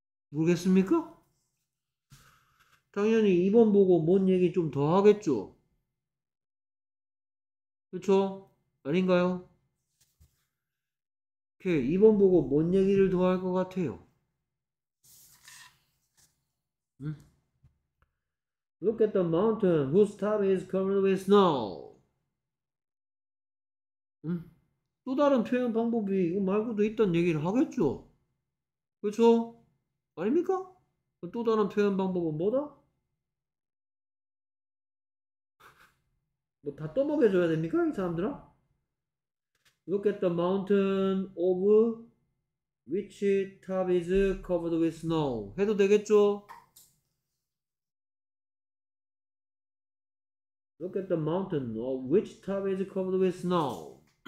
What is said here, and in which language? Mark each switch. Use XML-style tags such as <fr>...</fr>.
<ko>모르겠습니까? 당연히 2번 보고 뭔 얘기 좀더 하겠죠. 그렇죠? 아닌가요? 오케이, 2번 보고 뭔 얘기를 더할것 같아요? 응?</ko> <en>Look at the mountain whose top is covered with snow.</en> <ko>또 다른 표현 방법이 이거 말고도 있다는 얘기를 하겠죠. 그렇죠? 아닙니까? 또 다른 표현 방법은 뭐다? 뭐다 떠먹여줘야 됩니까? 이 사람들아?</ko> <en>Look at the mountain of which top is covered with snow.</en> <ko>해도 되겠죠?</ko> <en>Look at the mountain of which top is covered with snow.</en>